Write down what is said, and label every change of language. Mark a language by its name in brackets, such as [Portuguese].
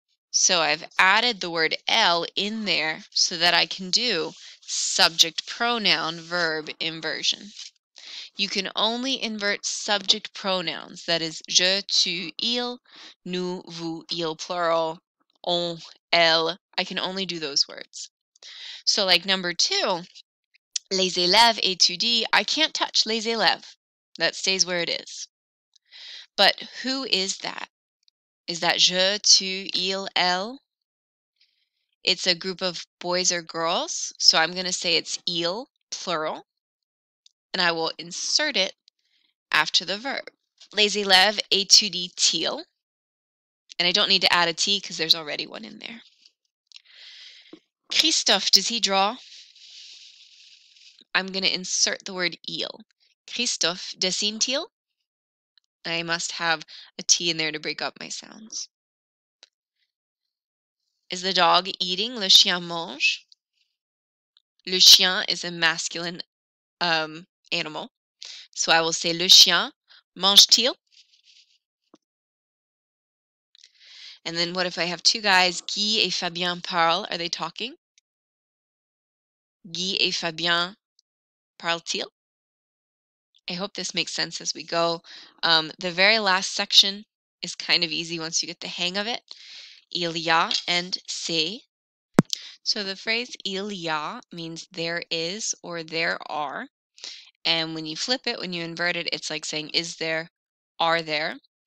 [English] So I've added the word L in there so that I can do subject pronoun verb inversion. You can only invert subject pronouns. That is, je, tu, il, nous, vous, il, plural, on, elle. I can only do those words. So like number two, [French] les élèves étudient. [English] I can't touch les élèves. That stays where it is. But who is that? Is that je, tu, il, elle? It's a group of boys or girls, so I'm going to say it's il, plural, and I will insert it after the verb. [French] Les élèves étudient-ils? [English] And I don't need to add a T because there's already one in there. Christophe, does he draw? I'm going to insert the word il. [French] Christophe, dessine-t-il? [English] I must have a T in there to break up my sounds. Is the dog eating? [French] Le chien mange? [English] Le chien is a masculine animal. So I will say, [French] le chien mange-t-il? [English] And then what if I have two guys, [French] Guy et Fabien parlent? [English] Are they talking? [French] Guy et Fabien parlent-ils? [English] I hope this makes sense as we go. The very last section is kind of easy once you get the hang of it. Il y a and c'est. So the phrase il y a means there is or there are. And when you flip it, when you invert it, it's like saying is there, are there.